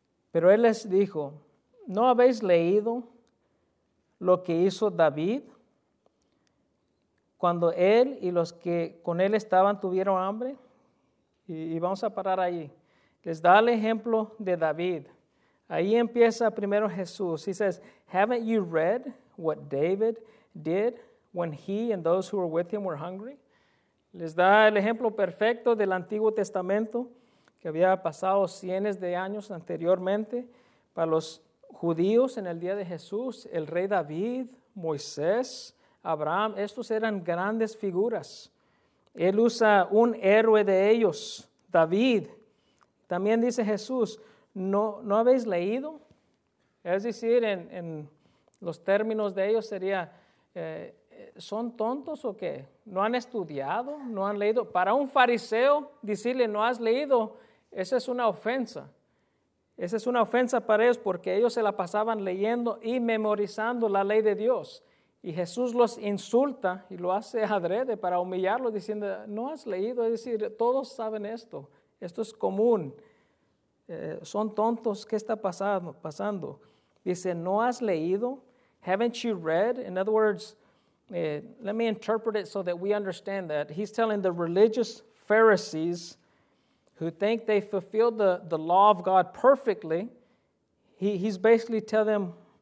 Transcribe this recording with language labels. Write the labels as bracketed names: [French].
[Spanish] Pero Él les dijo, ¿no habéis leído lo que hizo David cuando él y los que con él estaban tuvieron hambre? Y vamos a parar ahí. Les da el ejemplo de David. Ahí empieza primero Jesús. [English] He says, haven't you read what David did when he and those who were with him were hungry? [Spanish] Les da el ejemplo perfecto del Antiguo Testamento, que había pasado cientos de años anteriormente para los judíos en el día de Jesús. El rey David, Moisés, Abraham, estos eran grandes figuras. Él usa un héroe de ellos, David. También dice Jesús, ¿no habéis leído? Es decir, en los términos de ellos sería, ¿son tontos o qué? ¿No han estudiado? ¿No han leído? Para un fariseo, decirle, ¿no has leído? Esa es una ofensa. Esa es una ofensa para ellos porque ellos se la pasaban leyendo y memorizando la ley de Dios. Y Jesús los insulta y lo hace adrede para humillarlo, diciendo, no has leído, es decir, todos saben esto. Esto es común. Son tontos, ¿qué está pasando? Dice, ¿no has leído? [English] Haven't you read? In other words, let me interpret it so that we understand that. He's telling the religious Pharisees who think they fulfilled the law of God perfectly, he's basically telling them,